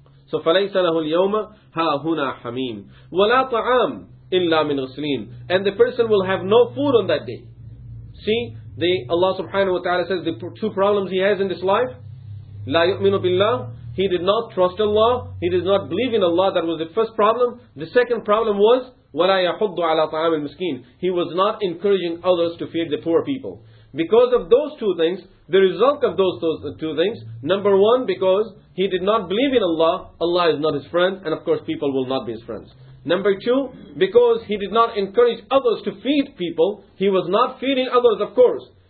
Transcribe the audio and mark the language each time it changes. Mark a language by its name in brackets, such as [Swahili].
[Arabic] So فَلَيْسَ لَهُ الْيَوْمَ هَا هُنَا حَمِيمٌ وَلَا طَعَامٌ إِلَّا مِنْ غِسْلِينٍ. [English] And the person will have no food on that day. See, the Allah subhanahu wa ta'ala says the two problems he has in this life. [Arabic] لَا يُؤْمِنُ بِاللَّهِ. [English] He did not trust Allah. He did not believe in Allah. That was the first problem. The second problem was [Arabic] وَلَا يَحُضُّ عَلَى طَعَامِ الْمِسْكِينِ. [English] He was not encouraging others to feed the poor people. Because of those two things, the result of those two things, number one, because he did not believe in Allah, Allah is not his friend, and of course people will not be his friends. Number two, because he did not encourage others to feed people, he was not feeding others, of course.